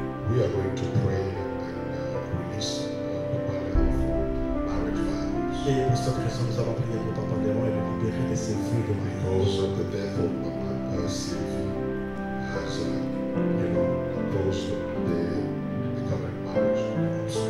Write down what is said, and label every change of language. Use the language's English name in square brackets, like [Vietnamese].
[English] We are going to pray and release the power of marriage vows. [French] Et pour cette raison, nous allons prier pour Papa Léon et le libérer de ses vœux de mariage. [English] Because of the death of Mama Sylvie has, you know, caused the covenant marriage.